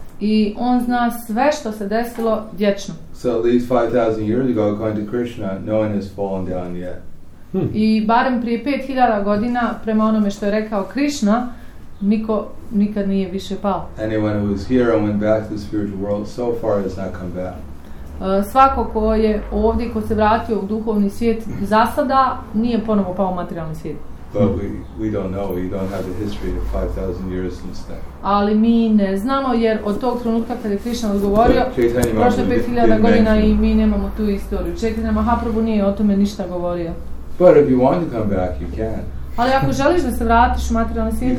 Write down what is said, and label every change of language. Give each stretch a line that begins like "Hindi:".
Bosnian: I on zna sve što se desilo vječno.
English: So at least 5,000 years ago, according to Krishna, no one has fallen down yet.
Bosnian: I barem prije 5,000 godina, prema onome što je rekao Krishna, niko nikad nije više pao.
English: Anyone who was here and went back to the spiritual world so far has not come back.
Bosnian: Svako ko je ovdje, ko se vratio u duhovni svijet za sada, nije ponovo pao u materijalni svijet.
English: But we don't know, we don't have the history of 5,000 years since then.
Bosnian: Ali mi ne znamo, jer od tog trenutka kada je Krishna odgovorio, prošle 5,000 godina i mi nemamo tu istoriju. Chaitanya Mahaprabhu nije o tome ništa govorio.
English: But if you want to come back, you can.
Bosnian: Ali ako želiš da se vratiš u materijalni svijet,